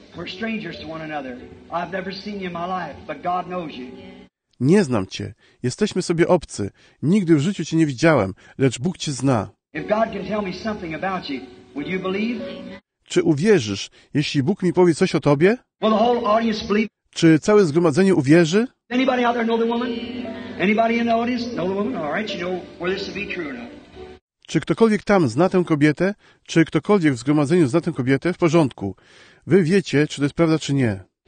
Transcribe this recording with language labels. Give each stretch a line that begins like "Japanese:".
English: We're strangers to one another. I've never seen you in my life, but God knows you.
Polish: Nie znam cię. Jesteśmy sobie obcy. Nigdy w życiu cię nie widziałem, lecz Bóg cię zna.
English: If God can tell me something about you, would you believe?
Polish: Czy uwierzysz, jeśli Bóg mi powie coś o tobie?
English: Will the whole audience believe?
Polish: Czy całe zgromadzenie uwierzy?
English: Anybody out there know the woman? Anybody in the audience know the woman? All right, you know whether this will be true or not.
Polish: Czy ktokolwiek tam zna tę kobietę? Czy ktokolwiek w zgromadzeniu zna tę kobietę? W porządku. Wy wiecie, czy to jest prawda, czy nie.